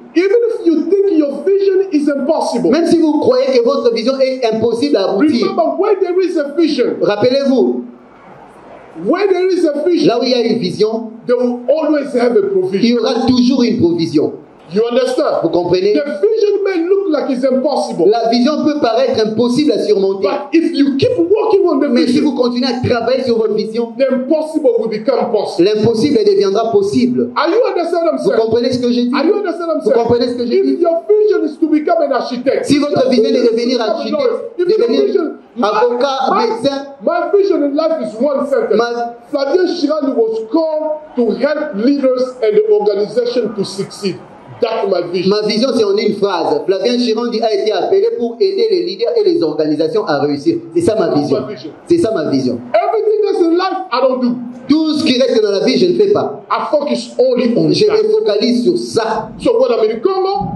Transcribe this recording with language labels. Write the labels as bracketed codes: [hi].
[en] Even if you think your vision is impossible. [fr] Même si vous croyez que votre vision est impossible à aboutir. [en] Remember where there is a vision. [fr] Rappelez-vous. [en] Where there is a vision, [fr] là où il y a une vision, [en] there will always have a provision. [fr] Il y aura toujours une provision. [en] You understand? [fr] Vous comprenez? [en] The vision may look like it's impossible. [fr] La vision peut paraître impossible à surmonter. [en] But if you keep working on the [fr] mais [en] vision, [fr] si vous continuez à travailler sur votre vision, [en] the impossible will become possible. [fr] L'impossible deviendra possible. [en] Are you understand what I'm saying? [fr] Vous comprenez ce que j'ai dit? [en] Are you understand what I'm [fr] vous comprenez ce que j'ai dit? [en] If your vision is to become an architect, [fr] si votre vision est de devenir architecte, devenir avocat, médecin. [en] My vision in life is one sentence. Flavien Chirac was called to help leaders and the organization to succeed. That's my vision. [fr] Ma vision, c'est en une phrase. Flavien Chirac a été appelé pour aider les leaders et les organisations à réussir. C'est ça ma vision. C'est ça ma vision. [en] Everything else in life, I don't do. [fr] Tout ce qui reste dans la vie, je ne fais pas. [en] I focus only on [fr] je me focalise sur ça. [en] So when I'm in Congo,